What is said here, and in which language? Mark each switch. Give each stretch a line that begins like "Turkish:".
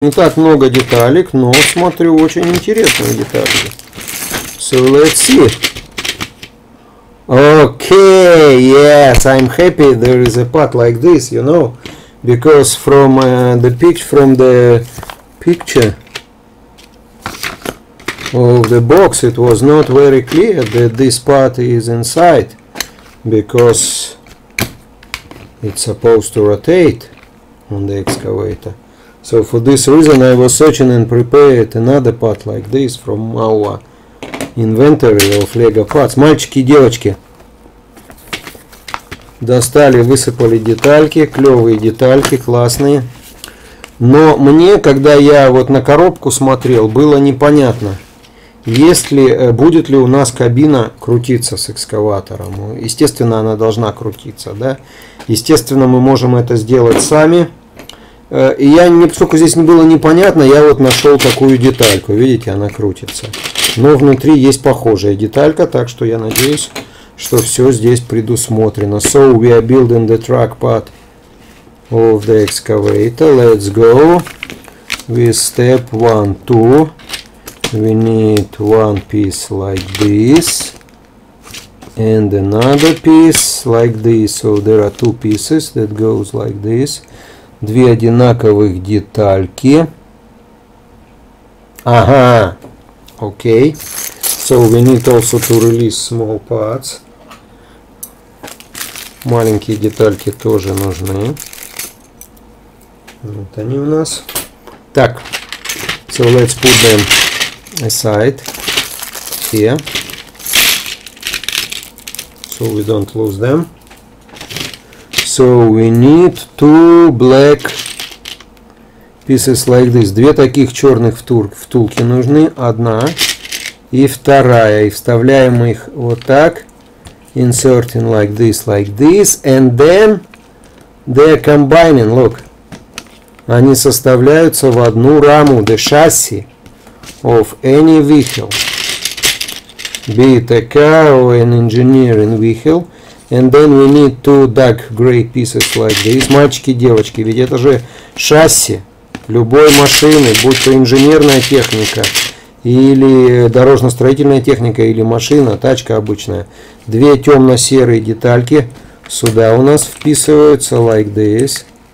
Russian: Не так много деталек, но смотрю, очень интересные детали.
English: So let's see. Okay, yes, I'm happy there is a part like this, you know, because from the picture of the box, it was not very clear that this part is inside, because it's supposed to rotate on the excavator. So for this reason, I was searching and prepared another part like this from our inventory of Lego parts.
Russian: Мальчики, девочки. Достали, высыпали детальки, клевые детальки, классные. Но мне, когда я вот на коробку смотрел, было непонятно, есть ли, будет ли у нас кабина крутиться с экскаватором. Естественно, она должна крутиться, да? Естественно, мы можем это сделать сами. И я, поскольку здесь было непонятно, я вот нашел такую детальку. Видите, она крутится. Но внутри есть похожая деталька, так что я надеюсь, что все здесь предусмотрено.
English: So we are building the truck part of the excavator. Let's go. We step one, two. We need one piece like this. And another piece like this. So there are two pieces that goes like this.
Russian: Две одинаковых детальки. Ага.
English: Окей. So we need also to release small parts.
Russian: Маленькие детальки тоже нужны. Вот они у нас. Так.
English: So let's put them aside. Here. So we don't lose them. So we need two black pieces like this.
Russian: Две таких черных втулки нужны. Одна. И вторая. И вставляем их вот так.
English: Inserting like this, and then they're combining, look.
Russian: Они составляются в одну раму,
English: the chassis of any vehicle. Be it a car or an engineering vehicle. And then we need two dark gray pieces like this.
Russian: Мальчики, девочки, ведь это же шасси любой машины, будь то инженерная техника, или дорожно-строительная техника, или машина, тачка обычная. Две темно-серые детальки сюда у нас вписываются,
English: like this.